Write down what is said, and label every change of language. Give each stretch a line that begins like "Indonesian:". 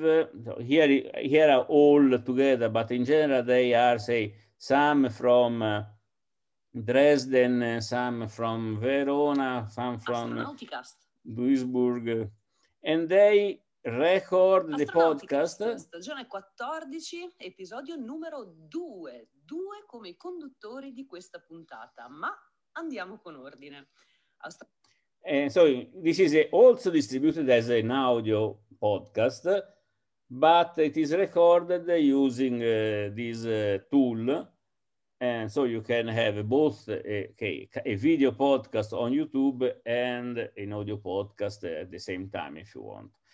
English: So here are all together, but in general they are, some from Dresden, some from Verona, some from Duisburg, and they record the podcast.
Italian: Stagione 14, episodio numero 2. 2 come i conduttori di questa puntata, ma andiamo con ordine.
English: And so this is also distributed as an audio podcast, but it is recorded using this tool. And so you can have both a video podcast on YouTube and an audio podcast at the same time if you want.